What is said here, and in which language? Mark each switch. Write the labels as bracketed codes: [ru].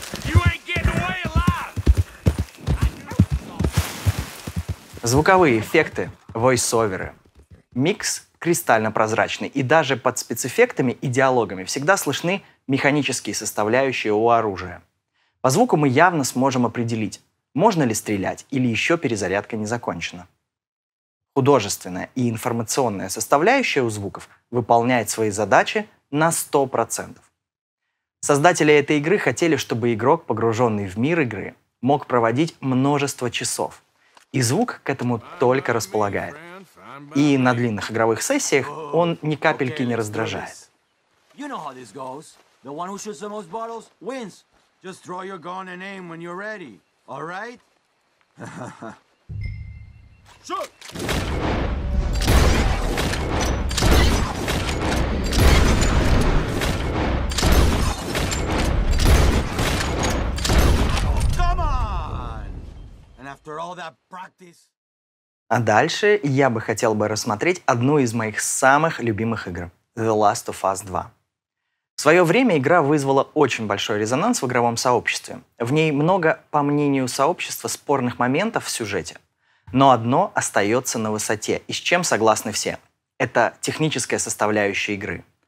[en] You ain't getting away alive. [ru] Звуковые эффекты, войс-оверы, микс кристально прозрачный, и даже под спецэффектами и диалогами всегда слышны механические составляющие у оружия. По звуку мы явно сможем определить, можно ли стрелять или еще перезарядка не закончена. Художественная и информационная составляющая у звуков выполняет свои задачи на 100%. Создатели этой игры хотели, чтобы игрок, погруженный в мир игры, мог проводить множество часов. И звук к этому только располагает. И на длинных игровых сессиях он ни капельки не раздражает. [en] You know how this goes. The one who shoots the most bottles wins. Just draw your gun and aim when you're ready. All right? Come on! And after all that practice... [ru] А дальше я бы хотел бы рассмотреть одну из моих самых любимых игр – The Last of Us 2. В свое время игра вызвала очень большой резонанс в игровом сообществе. В ней много, по мнению сообщества, спорных моментов в сюжете. Но одно остается на высоте, и с чем согласны все – это техническая составляющая игры.